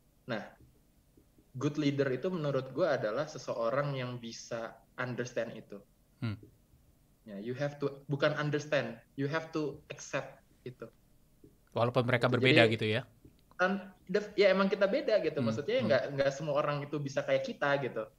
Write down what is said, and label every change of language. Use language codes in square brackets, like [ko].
[id] Nah, good leader itu menurut gue adalah seseorang yang bisa understand itu. [en] Yeah, you have to, [id] bukan [en] understand, you have to accept [id] itu walaupun mereka gitu. Berbeda. Jadi, gitu ya. Ya emang kita beda gitu, maksudnya nggak semua orang itu bisa kayak kita gitu.